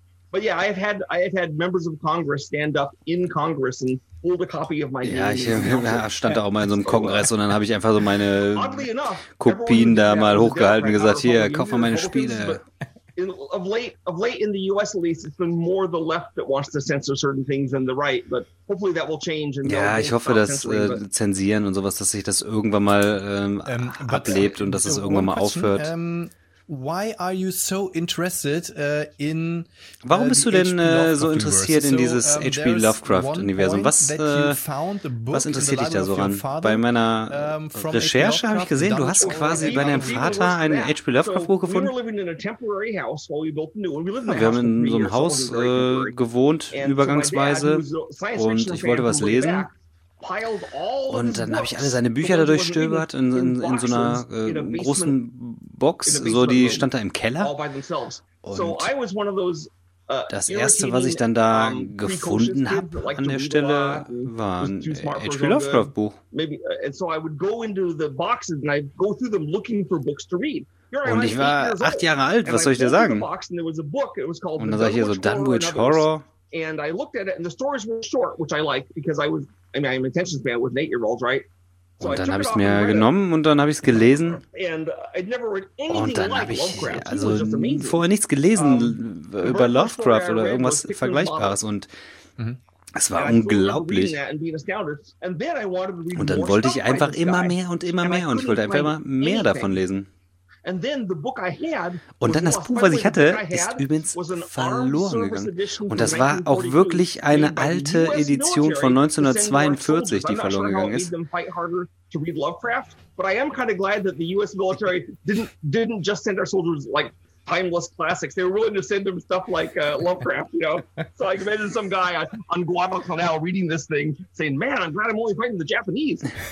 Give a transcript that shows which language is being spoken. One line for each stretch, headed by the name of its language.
English: But yeah, I've had members of Congress stand up in Congress and hold a copy of my game.
German: Ja, ich stand da auch mal in so einem Kongress und dann habe ich einfach so meine Kopien da mal hochgehalten und gesagt, hier, kauf mal meine Spiele.
English: Of late in the US at least, it's been more the left that wants to censor certain things than the right, but hopefully that will change.
German: Ja, ich hoffe, dass Zensieren und sowas, dass sich das irgendwann mal ablebt und dass es irgendwann mal aufhört.
English: Why are you so interested in
German: warum bist du denn so interessiert in dieses H.P. Lovecraft Universum? Was interessiert dich da so ran? Bei meiner Recherche habe ich gesehen, du hast quasi bei deinem Vater ein H.P. Lovecraft Buch gefunden. Wir haben in so einem Haus gewohnt übergangsweise und ich wollte was lesen. Und dann habe ich alle seine Bücher da durchstöbert in so einer großen Box, so die stand da im Keller. Und das Erste, was ich dann da gefunden habe an der Stelle, war ein H.P. Lovecraft-Buch. Und ich war 8 Jahre alt, was soll ich dir sagen? Und dann sah ich hier so Dunwich Horror.
English: And I looked at it, and the stories were short, which I like, because I'm attention span with 8-year-olds, right?
German: Und dann habe ich es mir genommen und dann habe ich es gelesen. Und dann habe ich also vorher nichts gelesen über Lovecraft oder irgendwas Vergleichbares. Und es war unglaublich. Und dann wollte ich einfach immer mehr und immer mehr und ich wollte einfach immer mehr davon lesen. Und dann das Buch, was ich hatte, ist übrigens verloren gegangen. Und das war auch wirklich eine alte Edition von 1942, die verloren gegangen ist.
English: To read Lovecraft, but I am kind of glad that the US military didn't just send our soldiers like timeless classics. They were willing to send them stuff like Lovecraft, you know. So I imagine some guy on Guadalcanal reading this thing saying, "Man, I'm glad I'm only fighting the Japanese."